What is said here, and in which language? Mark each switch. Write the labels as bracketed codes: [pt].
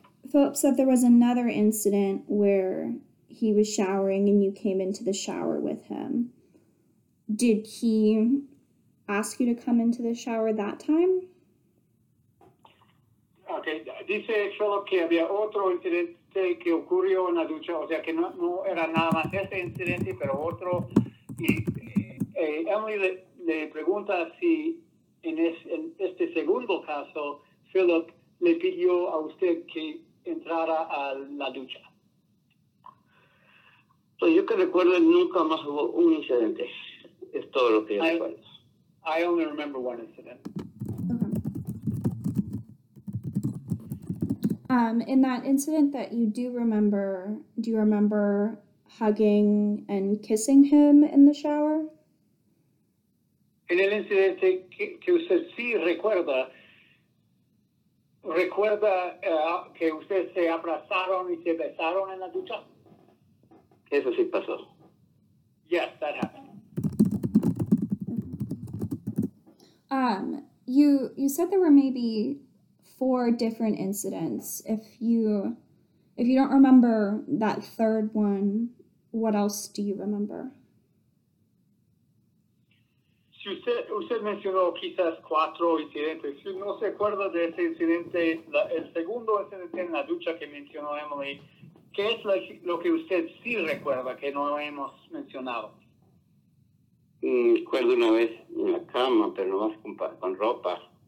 [en] Philip said there was another incident where he was showering and you came into the shower with him. Did he ask you to come into the shower that time? [es] Okay, dice Philip que había otro incidente que ocurrió en la ducha, o sea que no era nada más ese incidente, pero otro. Y Emily le pregunta si en este segundo caso, Philip le pidió a usted que entrara a la ducha. So, yo que recuerdo, nunca más hubo un incidente. Es todo lo que yo recuerdo. [en] I only remember one incident. In that incident that you do remember, do you remember hugging and kissing him in the shower? [es] En el incidente que usted sí recuerda, ¿recuerda que ustedes se abrazaron y se besaron en la ducha? Eso sí pasó. [en] Yes, that happened. You said there were maybe 4 different incidents. If you don't remember that third one, what else do you remember? [es] Si usted mencionó quizás 4 incidentes, si no se acuerda de ese incidente, el segundo incidente en la ducha que mencionó Emily, ¿qué es lo que usted sí recuerda que no hemos mencionado? Recuerdo una vez en la cama, pero no más con ropa.